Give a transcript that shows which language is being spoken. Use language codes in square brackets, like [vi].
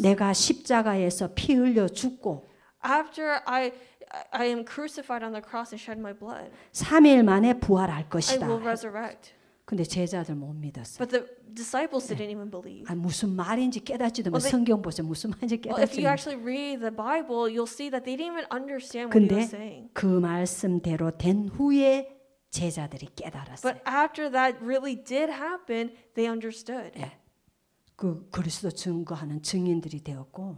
[ko] 내가 십자가에서 피 흘려 죽고. [en] After I am crucified on the cross and shed my blood. [ko] 3일 만에 부활할 것이다. [en] I will resurrect. [ko] 근데 제자들 못 믿었어요. [en] But the disciples didn't even believe. [ko] 아니, 무슨 말인지 깨닫지도 못해. 성경 보세요. 무슨 말인지 깨닫지 못해. [en] Well, if you actually read the Bible, you'll see that they didn't even understand what [ko] 근데 [en] he was saying. [ko] 그 말씀대로 된 후에 제자들이 깨달았어요. [en] But after that really did happen, they understood. [ko] 예. 그 그리스도 증거하는 증인들이 되었고